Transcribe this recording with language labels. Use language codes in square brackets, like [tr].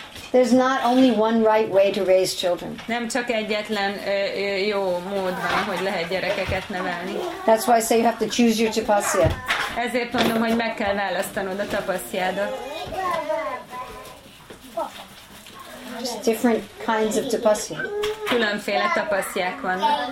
[en] There's not only one right way to raise children. [hu] Nem csak egyetlen jó mód van, hogy lehet gyerekeket nevelni. [en] That's why I say you have to choose your tapasya. [hu] Ezért mondom, hogy meg kell választanod a tapasziádat. [en] There's different kinds of tapasya. [hu] Különféle tapasziák vannak.